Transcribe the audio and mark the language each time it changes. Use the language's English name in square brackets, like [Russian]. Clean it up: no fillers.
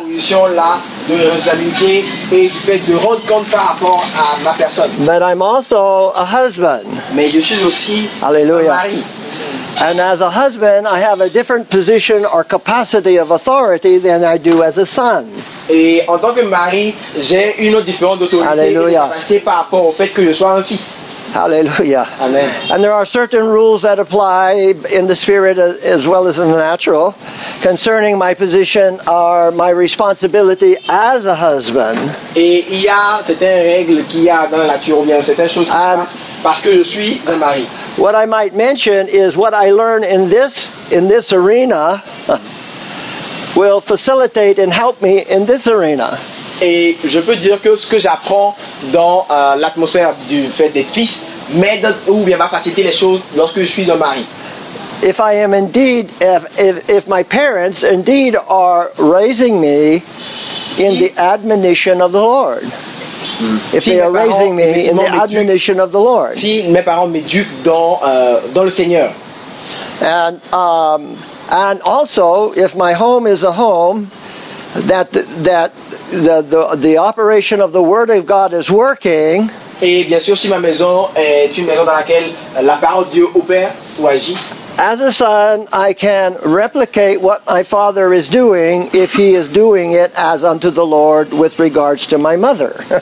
[French] Cette position là de responsabilité et du fait de rendre compte par rapport à ma personne. [English] But I'm also a husband. [French] Mais je suis aussi Alléluia. Un mari. [English] And as a husband, I have a different position or capacity of authority than I do as a son. [French] Et en tant que mari, j'ai une autre différence d'autorité Alléluia. Capacité par rapport au fait que je sois un fils. Alléluia. Amen. [English] And there are certain rules that apply in the spirit as well as in the natural concerning my position or my responsibility as a husband. [French] Et il y a certaines règles qu'il y a dans la nature, bien certaines choses qui passent parce que je suis un mari. [English] What I might mention is what I learn in this arena will facilitate and help me in this arena. [French] Et je peux dire que ce que j'apprends dans l'atmosphère du fait d'être fils m'aide ou bien va faciliter les choses lorsque je suis un mari. [English] If I am indeed, if my parents indeed are raising me in the admonition of the Lord. If they are raising me in the admonition of the Lord. [French] Si mes parents m'éduquent dans le Seigneur. [English] And also, if my home is a home that the operation of the Word of God is working. [French] Et bien sûr, si ma maison est une maison dans laquelle la parole de Dieu opère ou agit. [English] As a son, I can replicate what my father is doing if he is doing it as unto the Lord with regards to my mother.